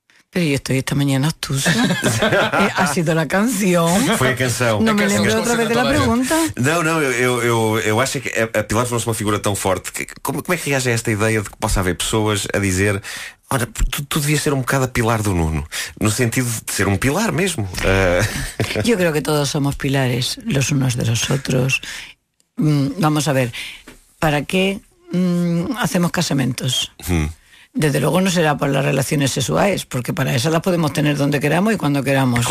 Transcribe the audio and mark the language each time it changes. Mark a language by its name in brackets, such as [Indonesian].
[Spanish] Pero yo estoy esta mañana obtusa. ¿Ha sido la canción? Fue la canción. ¿No me lembro otra vez de la pregunta? [Portuguese] No, eu acho que a Pilar tornou-se uma figura tão forte. Como é que reage a esta ideia de que possa haver pessoas a dizer, ora, tu devias ser um bocado a Pilar do Nuno? No sentido de ser um pilar mesmo. [Spanish] Eu creo que todos somos pilares los unos de los otros. Vamos a ver, ¿para qué hacemos casamentos? Desde luego no será por las relaciones sexuales, porque para eso las podemos tener donde queramos y cuando queramos.